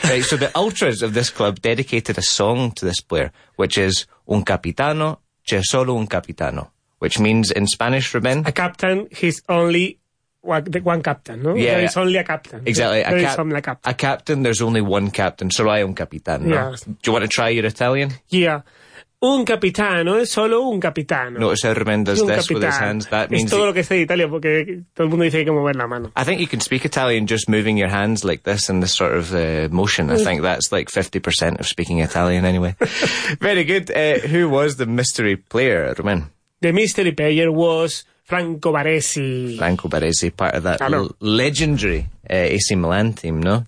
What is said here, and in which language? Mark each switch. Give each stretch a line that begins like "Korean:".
English: Right, so the ultras of this club dedicated a song to this player, which is
Italian: Un Capitano, C'è Solo Un Capitano,
English: which means in Spanish, Ruben? A captain, he's only one captain, no? Yeah. There is only a captain. Exactly. There is only a captain. A captain, there's only one captain,
Spanish: Solo hay un capitano.
English: Yeah. Do you want to try your Italian?
Spanish: Yeah. Un capitano es solo un capitano.
English: Notice how Ruben does this capitán. With his hands. That means
Spanish: es todo lo que sé de Italia, porque todo el mundo dice que hay que mover la mano.
English: I think you can speak Italian just moving your hands like this in this sort of motion. I think that's like 50% of speaking Italian anyway. Very good. Who was the mystery player, Ruben? The mystery player was Franco Baresi. Franco Baresi, part of that legendary AC Milan team, no?